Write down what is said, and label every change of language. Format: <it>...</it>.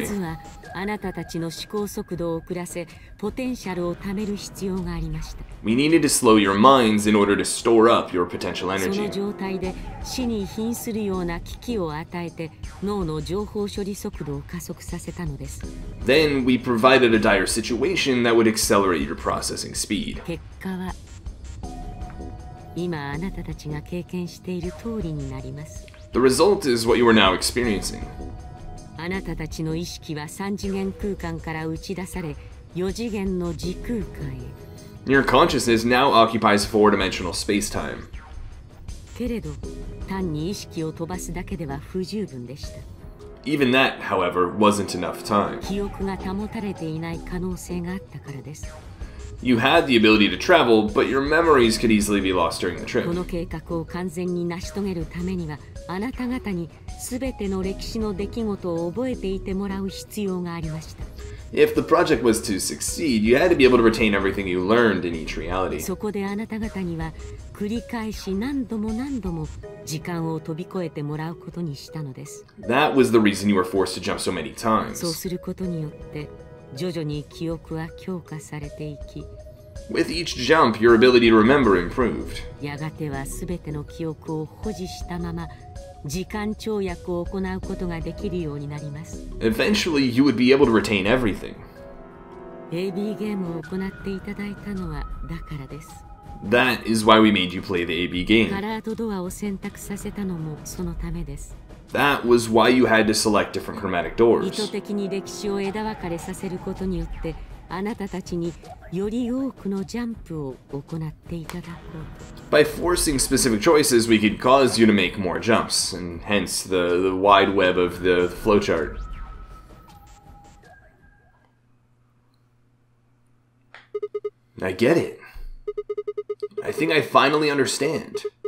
<ja>まずはあなたたちの思考速度を遅らせ、ポテンシャルを貯める必要がありました。</ja> <en>We needed to slow your minds in order to store up your potential energy.</en> <ja>その状態で死に瀕するような危機を与えて、脳の情報処理速度を加速させたのです。</ja> <en>Then we provided a dire situation that would accelerate your processing speed.</en> <ja>結果は、今あなたたちが経験している通りになります。</ja> <en>The result is what you are now experiencing.</en> <ja>あなたたちの意識は三次元空間から打ち出され、四次元の時空間へ。</ja> <en>Your consciousness now occupies four-dimensional space-time.</en> <ja>けれど、単に意識を飛ばすだけでは不十分でした。</ja> <en>Even that, however, wasn't enough time.</en> <ja>記憶が保たれていない可能性があったからです。</ja> <en>You had the ability to travel, but your memories could easily be lost during the trip.</en> <ja>この計画を完全に成し遂げるためには、あなた方にすべての歴史の出来事を覚えていてもらう必要がありました。</ja> <en>If the project was to succeed, you had to be able to retain everything you learned in each reality.</en> <ja>そこであなた方には繰り返し何度も何度も時間を飛び越えてもらうことにしたのです。</ja> <en>That was the reason you were forced to jump so many times.</en> <ja>そうすることによって徐々に記憶は強化されていき、</ja> <en>With each jump, your ability to remember improved.</en> <ja>やがてはすべての記憶を保持したまま、時間跳躍を行うことができるようになります。</ja> <en>Eventually, you would be able to retain everything.</en> <ja>AB ゲームを行っていただいたのはだからです。</ja> <en>That is why we made you play the AB game.</en> <ja>カラーとドアを選択させたのもそのためです。</ja> <en>That was why you had to select different chromatic doors.</en> <ja>意図的に歴史を枝分かれさせることによって、あなたたちにより多くのジャンプを行っていただこうと。</ja> <en>By forcing specific choices, we could cause you to make more jumps, and hence the wide web of the flowchart. I get it. I think I finally understand.</en>